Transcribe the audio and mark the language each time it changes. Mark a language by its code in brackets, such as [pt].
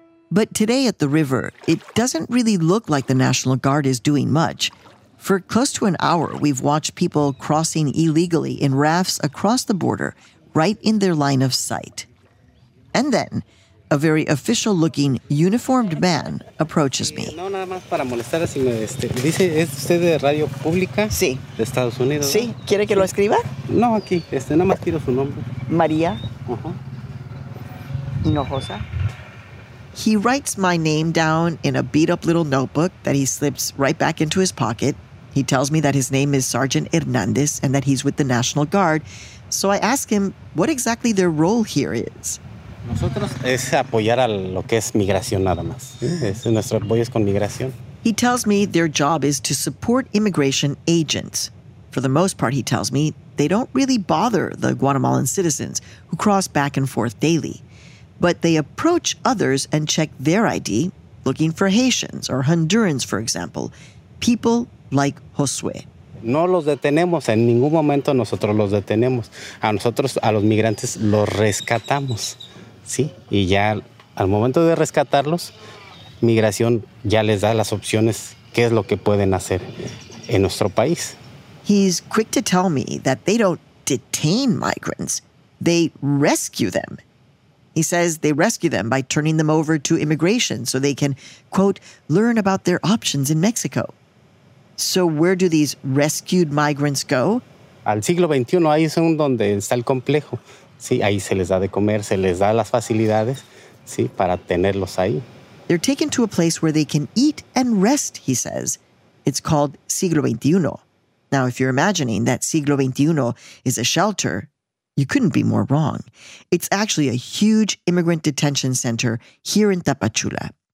[en] But today at the river, it doesn't really look like the National Guard is doing much. For close to an hour, we've watched people crossing illegally in rafts across the border, right in their line of sight. And then, a very official-looking, uniformed man approaches me. [es] No, nada más para molestar, si me dice, ¿es usted de Radio Pública? Sí. De Estados Unidos. Sí. ¿Quiere que lo escriba? No, aquí. Nada más quiero su nombre. María. Uh-huh. Hinojosa. [en] He writes my name down in a beat-up little notebook that he slips right back into his pocket. He tells me that his name is Sergeant Hernandez and that he's with the National Guard. So I ask him what exactly their role here is. [es] Nosotros es apoyar a lo que es migración nada más. Nuestro apoyo es con migración. [en] He tells me their job is to support immigration agents. For the most part, he tells me, they don't really bother the Guatemalan citizens who cross back and forth daily. But they approach others and check their ID, looking for Haitians or Hondurans, for example, people like Josué. [es] No los detenemos, en ningún momento nosotros los detenemos. A nosotros, a los migrantes, los rescatamos, ¿sí? Y ya al momento de rescatarlos, migración ya les da las opciones, qué es lo que pueden hacer en nuestro país. [en] He's quick to tell me that they don't detain migrants, they rescue them. He says they rescue them by turning them over to immigration so they can, quote, learn about their options in Mexico. So where do these rescued migrants go? [es] Al siglo XXI, ahí es donde está el complejo. Sí, ahí se les da de comer, se les da las facilidades, sí, para tenerlos ahí. [en] They're taken to a place where they can eat and rest, he says. It's called siglo XXI. Now, if you're imagining that siglo XXI is a shelter, you couldn't be more wrong. It's actually a huge immigrant detention center here in Tapachula.